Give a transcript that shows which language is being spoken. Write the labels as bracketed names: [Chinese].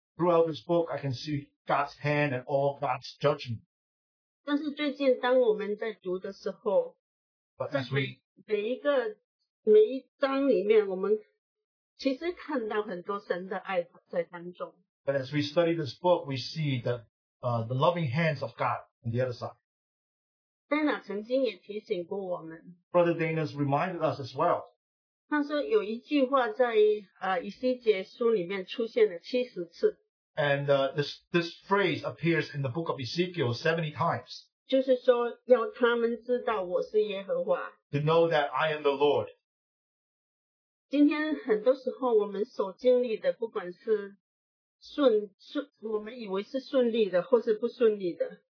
[English] Throughout this book, I can see God's hand and all God's judgment. [Chinese] 但是最近当我们在读的时候, [English] but as we [Chinese] 每一章里面我们其实看到很多神的爱在当中。 [English] But as we study this book, we see the loving hands of God on the other side. [Chinese] Dana 曾经也提醒过我们, [English] Brother Dana has reminded us as well. [Chinese] 他说有一句话在以西结书里面出现了70次。 [English] And this phrase appears in the book of Ezekiel 70 times. [Chinese] 就是说要他们知道我是耶和华。 [English] To know that I am the Lord. [Chinese] 今天很多时候我们所经历的，不管是顺，我们以为是顺利的，或是不顺利的。